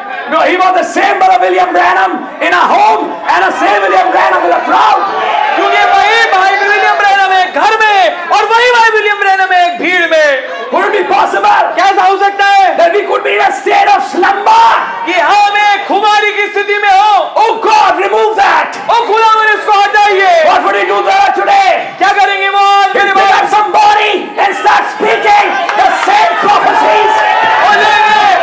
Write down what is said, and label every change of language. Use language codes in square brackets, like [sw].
[en] No, he was the same brother William Branham in a home and the same William Branham in a crowd. [hi] क्योंकि वही भाई William Branham एक घर में और वही भाई विलियम ब्रैनम एक भीड़ में। [en] Could it be possible? [hi] कैसा हो सकता है? [en] That we could be in a state of slumber. [hi] कि हम एक खुमारी की स्थिति में हो। [en] Oh God, remove that. [hi] ओ खुदा मेरे इसको हटाइए। [en] What would he do there today? [hi] क्या करेंगे वो? [en] He'll pick up somebody and start speaking the same prophecies.